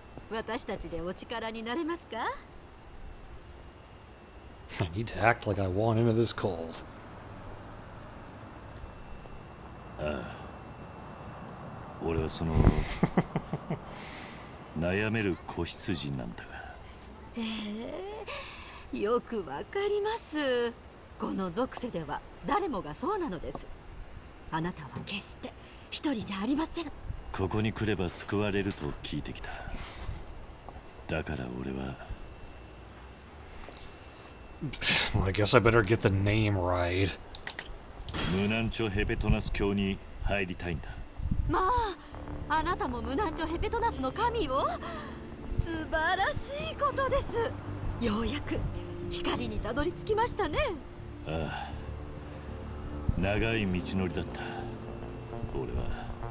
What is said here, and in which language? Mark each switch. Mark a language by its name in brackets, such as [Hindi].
[Japanese] 私たちでお力になれますか。 [English] I need to act like I want into this cult. [Japanese] ああ。俺はその悩める子羊なんだが。よくわかります。この属性では誰もがそうなのです。あなたは決して一人じゃありません。ここに来れば救われると聞いてきた。だから俺は。 [English] Well, I guess I better get the name right. [Japanese] ムナンチョヘペトナス教に入りたいんだ。まあ、あなたもムナンチョヘペトナスの神を。素晴らしいことです。ようやく光にたどり着きましたね。ああ、長い道のりだった。俺は。